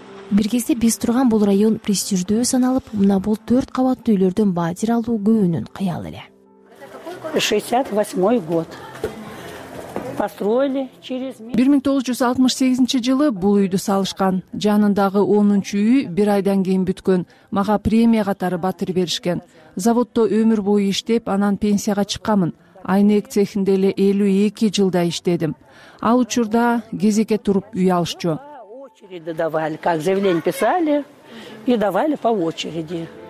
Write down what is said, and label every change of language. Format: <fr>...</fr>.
<ky>Бир кезде биз турган бул район престиждүү саналып, мына бул 4 кабаттуу үйлөрдөн баатир алуу көбүнүн каялы эле.</ky> <ru>68-й год.</ru> <ky>1968 жылы бул үйдү салышкан. Жанындагы 10-үй бир айдан кийин бүткөн. Мага премия катары батир беришкен. Заводдо өмүр бою иштеп, анан пенсияга чыккамын. Айнек цехинде эле 52 жылдай иштедим. Ал учурда кезекке туруп үй алышчу.</ky> <ru>Очереди давали, как заявление писали и давали по очереди.</ru>